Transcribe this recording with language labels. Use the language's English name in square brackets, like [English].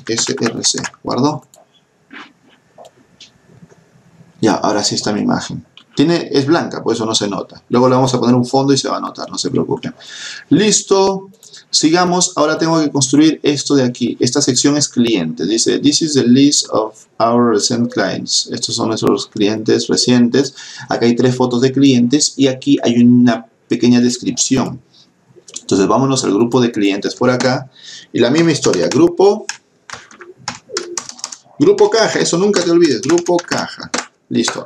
[Spanish] SRC, guardo. Ya, ahora sí está mi imagen. Es blanca, por eso no se nota. Luego le vamos a poner un fondo y se va a notar, no se preocupen. Listo. Sigamos. Ahora tengo que construir esto de aquí. Esta sección es clientes. [English] Dice, this is the list of our recent clients. [Spanish] Estos son nuestros clientes recientes. Acá hay tres fotos de clientes y aquí hay una pequeña descripción. Entonces, vámonos al grupo de clientes por acá. Y la misma historia. Grupo caja. Eso nunca te olvides. Grupo caja. Listo.